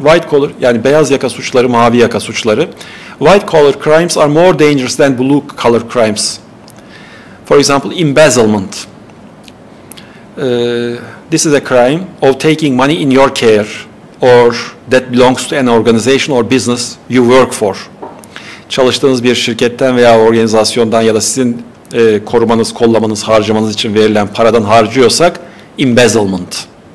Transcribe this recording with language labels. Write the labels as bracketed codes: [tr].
[tr] White collar, yani beyaz yaka suçları, mavi yaka suçları. [en] White collar crimes are more dangerous than blue collar crimes. For example, embezzlement. This is a crime of taking money in your care or that belongs to an organization or business you work for. [tr] Çalıştığınız bir şirketten veya organizasyondan ya da sizin korumanız, kollamanız, harcamanız için verilen paradan harcıyorsak embezzlement.